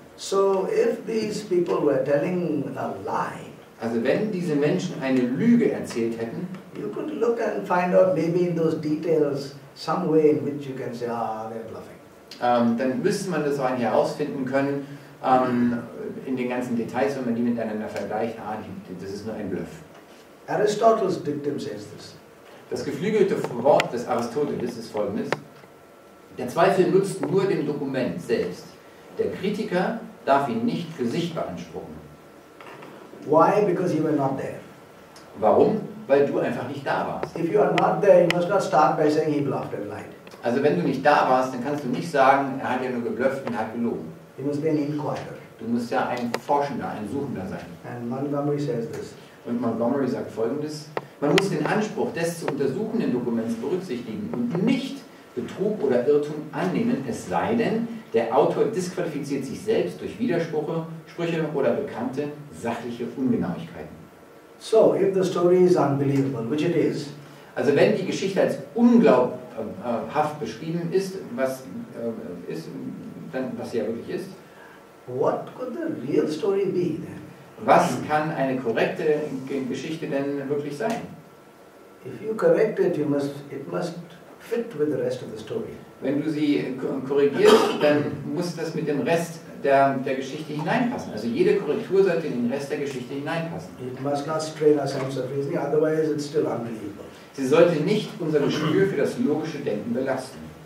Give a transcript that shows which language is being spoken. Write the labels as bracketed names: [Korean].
[English] So if these people were telling a lie, [German] also wenn diese Menschen eine Lüge erzählt hätten, [English] you could look and find out maybe in those details some way in which you can say, ah, they're bluffing. [German] Dann müsste man das auch herausfinden können, in den ganzen Details, wenn man die miteinander vergleicht, ah, das ist nur ein Bluff. [English] Aristotle's dictum says this. [German] Das geflügelte Wort des Aristoteles ist folgendes: Der Zweifel nutzt nur dem Dokument selbst. Der Kritiker darf ihn nicht für sich beanspruchen. [English] Why? Because you were not there. [German] Warum? Weil du einfach nicht da warst. [English] If you are not there, you must not start by saying he bluffed and lied. [German] Also wenn du nicht da warst, dann kannst du nicht sagen, er hat ja nur geblufft und hat gelogen. [English] You must be an inquirer. [German] Du musst ja ein Forschender, ein Suchender sein. [English] And Montgomery says this. [German] Und Montgomery sagt folgendes: Man muss den Anspruch des zu untersuchenden Dokuments berücksichtigen und nicht Betrug oder Irrtum annehmen, es sei denn, der Autor disqualifiziert sich selbst durch Widersprüche, Sprüche oder bekannte sachliche Ungenauigkeiten. [English] So, if the story is unbelievable, which it is. [German] Also wenn die Geschichte als unglaubhaft beschrieben ist, was ist, dann was sie ja wirklich ist. [English] What could the real story be then? [German] Was kann eine korrekte Geschichte denn wirklich sein? [English] If you correct it, it must fit with the rest of the story. [German] Wenn du sie korrigierst, dann muss das mit dem Rest der Geschichte hineinpassen. Also jede Korrektur sollte in den Rest der Geschichte hineinpassen. [English] It must not strain our sense of reasoning, otherwise it's still unbelievable. [German] Sie sollte nicht unser Gespür für das logische Denken belasten.